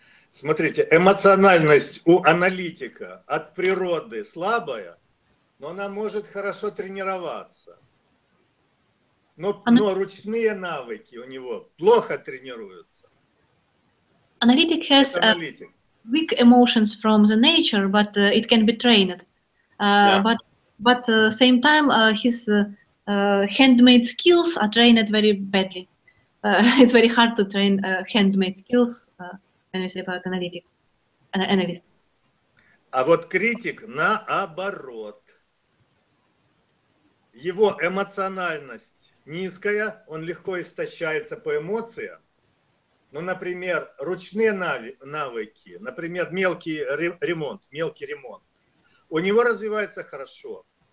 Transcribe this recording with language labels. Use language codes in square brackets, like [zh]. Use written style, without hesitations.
[ru] Смотрите, эмоциональность у аналитика от природы слабая, но она может хорошо тренироваться. Но ручные навыки у него плохо тренируются. [en] Analytic has weak emotions from the nature, but it can be trained. But same time, his handmade skills are trained very badly. It's very hard to train handmade skills when we say about analytic, analyst. [ru] А вот критик наоборот. Его эмоциональность низкая, он легко истощается по эмоциям. Ну, например, ручные навыки, например, мелкий ремонт, у него развивается хорошо.